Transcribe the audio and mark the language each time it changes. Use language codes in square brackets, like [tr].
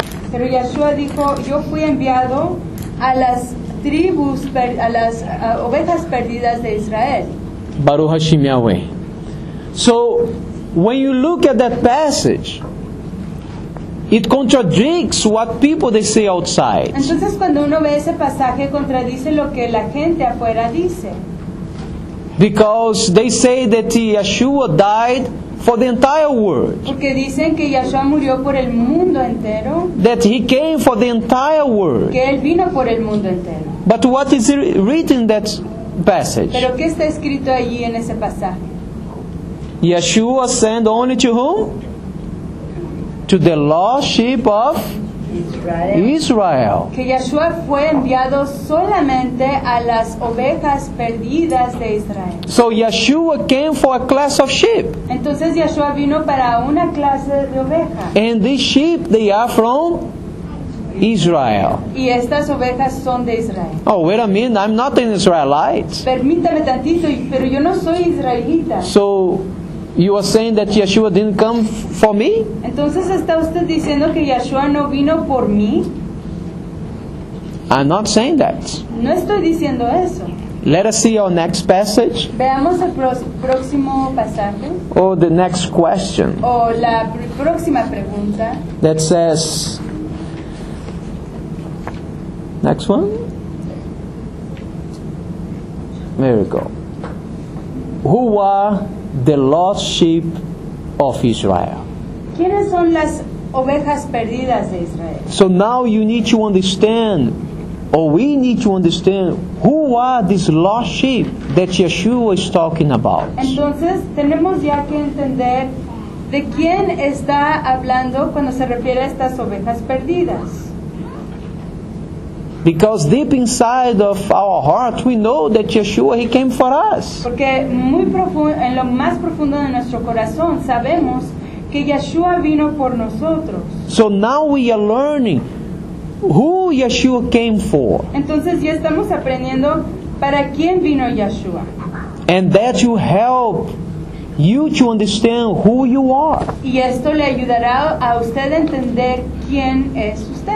[es] Pero Yeshua dijo, yo fui enviado a las tribus, a las ovejas perdidas de Israel. [he] Baruch Hashem Yahweh. [en] So, when you look at that passage, it contradicts what people they say outside. [es] Entonces, cuando uno ve ese pasaje, contradice lo que la gente afuera dice. [en] Because they say that Yeshua died for the entire world. [es] Porque dicen que Yeshua murió por el mundo entero. [en] That he came for the entire world. [es] Que él vino por el mundo entero. [en] But what is written in that passage? [es] Pero ¿qué está escrito allí en ese pasaje? [en] Yeshua sent only to whom? To the lost sheep of Israel. [es] Que Yeshua fue enviado solamente a las ovejas perdidas de Israel. [en] So Yeshua came for a class of sheep. [es] Entonces Yeshua vino para una clase de ovejas. [en] And these sheep, they are from Israel. [es] Y estas ovejas son de Israel. [en] Oh, wait a minute, I'm not an Israelite. [es] Permítame tantito, pero yo no soy israelita. [en] So you are saying that Yeshua didn't come for me? [es] Entonces, ¿está usted diciendo que Yeshua no vino por mí? [en] I'm not saying that. [es] No estoy diciendo eso. [en] Let us see our next passage. [es] Veamos el próximo pasaje. [en] Or the next question. [es] O la próxima pregunta. [en] That says, next one. There we go. Who are the lost sheep of Israel? [es] ¿Quiénes son las ovejas perdidas de Israel? [en] So now you need to understand, or we need to understand, who are these lost sheep that Yeshua is talking about? [es] Entonces, tenemos ya que entender de quién está hablando cuando se refiere a estas ovejas perdidas. [en] Because deep inside of our heart, we know that Yeshua, he came for us. [es] Porque muy profundo, en lo más profundo de nuestro corazón, sabemos que Yeshua vino por nosotros. [en] So now we are learning who Yeshua came for. [es] Entonces ya estamos aprendiendo para quién vino Yeshua. [en] And that will help you to understand who you are. [es] Y esto le ayudará a usted a entender quién es usted.